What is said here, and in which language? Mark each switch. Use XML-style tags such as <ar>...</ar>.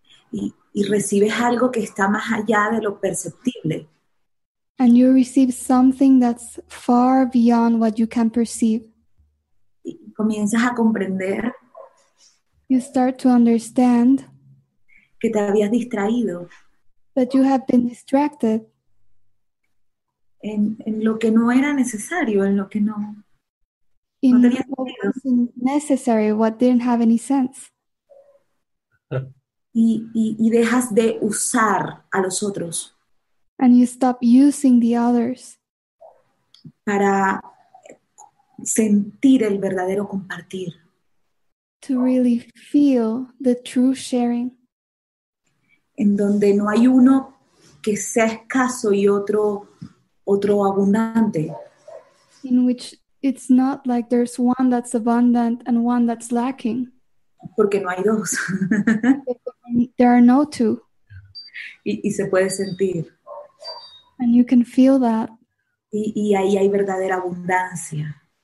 <es>Y recibes algo que está más allá de lo perceptible.</es> <en>And you receive something that's far beyond what you can perceive.</en> <es>Y comienzas a comprender.</es> <en>You start to understand.</en> <es>Que te habías distraído.</es> <en>That you have been distracted.</en> <es>En lo que no era necesario, en lo que no.</es> <en>In</en> <es>no tenía</es> <en>what</en> <es>sentido.</es> <en>Wasn't necessary, what didn't have any sense.</en> <es>Y dejas de usar a los otros.</es> <en>And you stop using the others.</en> <es>Para sentir el verdadero compartir.</es> <en>To really feel the true sharing.</en> <es>En donde no hay uno que sea escaso y otro abundante.</es> <en>In which it's not like there's one that's abundant and one that's lacking.</en> <es>Porque no hay dos.</es> <en>There are no two.</en> <es>Y se puede sentir.</es> <en>And you can feel that.</en> <es>Y ahí hay verdadera abundancia.</es>